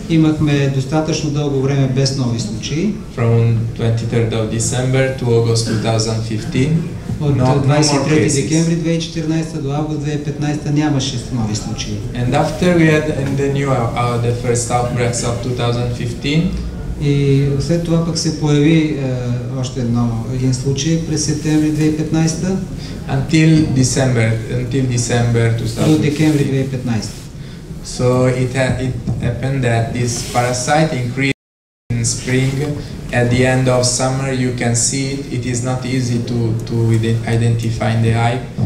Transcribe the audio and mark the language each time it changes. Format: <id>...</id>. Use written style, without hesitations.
<bg>Имахме достатъчно дълго време без нови случаи.</bg> <en>From 23rd of December to August 2015.</en> <bg>От 23 декември 2014 до август 2015 нямаше нови случаи.</bg> <en>And after we had the new the first outbreaks of 2015.</en> <bg>И след това пък се появи още един случай през септември 2015.</bg> <en>Until December 2015.</en> <bg>До декември 2015.</bg> <en>So it happened that this parasite increased in spring. At the end of summer, you can see it. It is not easy to identify in the hive.</en>